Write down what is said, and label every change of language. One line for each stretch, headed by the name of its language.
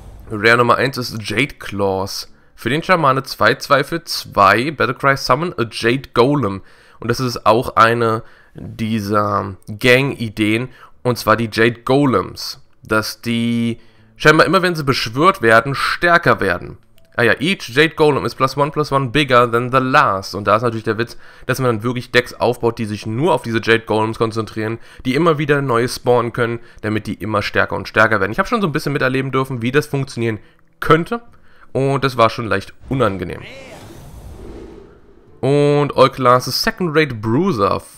German: Rare Nummer 1 ist Jade Claws. Für den Schamane 2-2 für 2.
English: Battlecry Summon a Jade Golem.
German: Und das ist auch eine dieser Gang-Ideen. Und zwar die Jade Golems. Dass die scheinbar immer, wenn sie beschwört werden, stärker werden. Ah ja,
English: each Jade Golem is plus 1 bigger than the last.
German: Und da ist natürlich der Witz, dass man dann wirklich Decks aufbaut, die sich nur auf diese Jade Golems konzentrieren, die immer wieder neue spawnen können, damit die immer stärker und stärker werden. Ich habe schon so ein bisschen miterleben dürfen, wie das funktionieren könnte. Und das war schon leicht unangenehm. Und All Classes Second Rate Bruiser.